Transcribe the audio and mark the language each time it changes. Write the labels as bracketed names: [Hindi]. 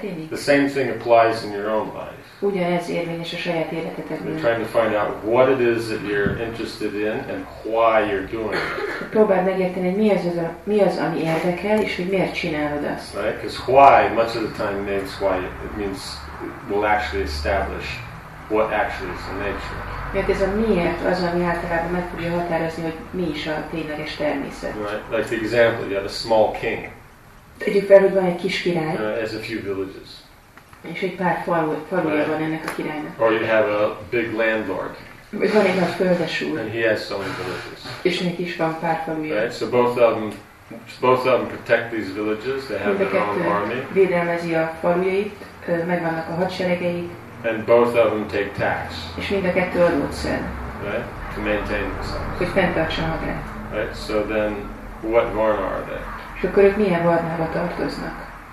[English] The same thing applies in your own life. [Hungarian] Ugyanez érvényes a saját életetekben. [English] You're trying to find out what it is that you're interested in and why you're doing it. [Hungarian] Próbáld megérteni, hogy mi az, ami érdekel, és hogy miért csinálod azt. [English] Right? Because why, much of the time, means why. It means will actually establish what actually is the nature. [Hungarian] Mert ez a miért az, ami általában meg fogja határozni, hogy mi is a tényleges természet. [English] Right? Like the example, you have a small king. [Hungarian] Tegyük fel, hogy van egy kis király. [English] As a few villages. [Hungarian] És egy pár faluja right. Van ennek a királynak. [English] Or you have a big landlord. [Hungarian] Vagy van egy nagy földesúr. [English] And he has so many villages. [Hungarian] És neki is van pár faluja. [English] Right? So both of them protect these villages. They have their own army. [Hungarian] Védelmezi a falujait, megvannak a hadseregeik. [English] And both of them take tax. [Hungarian] És mind a kettő adót szed. [English] Right? To maintain themselves. [Hungarian] Hogy fenntartsa magát. [English] Right? So then, what varna are they? [Hungarian] És akkor ők milyen varnába tartoznak?